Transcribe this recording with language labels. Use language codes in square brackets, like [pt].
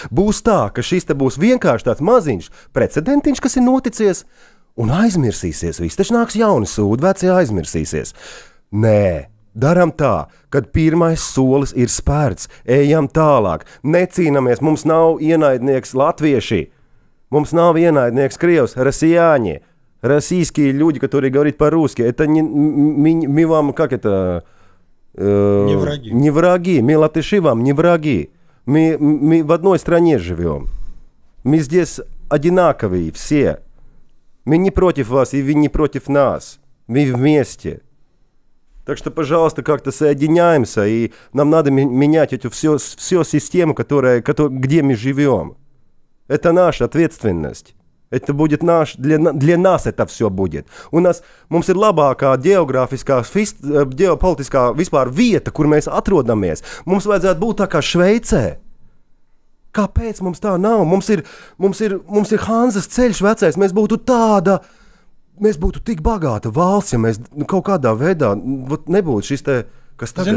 [lv] Būs tā, ka šis te būs vienkārši tāds maziņš precedentiņš, kas ir noticies, un aizmirsīsies, viss taču nāks jauni sūdi, veci aizmirsīsies. Nē, daram tā, kad pirmais solis ir spērts, ejam tālāk, necīnamies, mums nav ienaidnieks latvieši, mums nav ienaidnieks krievs, rasijāņi. [ru] Российские люди, которые говорят по-русски, это мы вам, как это, не враги. Не враги, мы латыши вам не враги, мы в одной стране живем, мы здесь одинаковые все, мы не против вас и вы не против нас, мы вместе, так что, пожалуйста, как-то соединяемся и нам надо менять эту всю систему, где мы живем, это наша ответственность. Это будет наш, для нас это все будет. У нас, [lv] mums ir labākā geogrāfiskā, geopolitiskā vispār vieta, kur mēs atrodamies. Mums vajadzētu būt tā kā Šveicē. Kāpēc mums tā nav? Mums ir Hanzas ceļš vecais. Mēs būtu tik bagāta valsts, ja mēs kaut kādā veidā nebūtu šis te, kas tagad